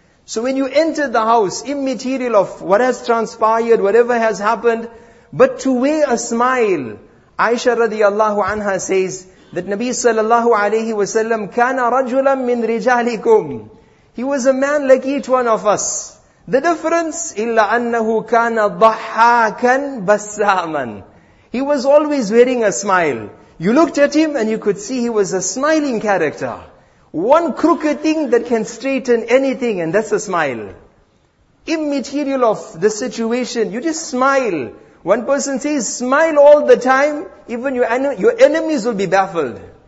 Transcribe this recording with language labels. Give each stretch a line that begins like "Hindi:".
English: So when you enter the house, immaterial of what has transpired, whatever has happened, but to wear a smile. Aisha radiallahu anha says that Nabi sallallahu alaihi wasallam
Arabic: kana rajulan min rijalikum.
English: He was a man like each one of us. The difference,
Arabic: إِلَّا أَنَّهُ كَانَ ضَحَّاكًا بَسَّامًا.
English: He was always wearing a smile. You looked at him and you could see he was a smiling character. One crooked thing that can straighten anything, and that's a smile. Immaterial of the situation, you just smile. One person says, smile all the time, even your enemies will be baffled.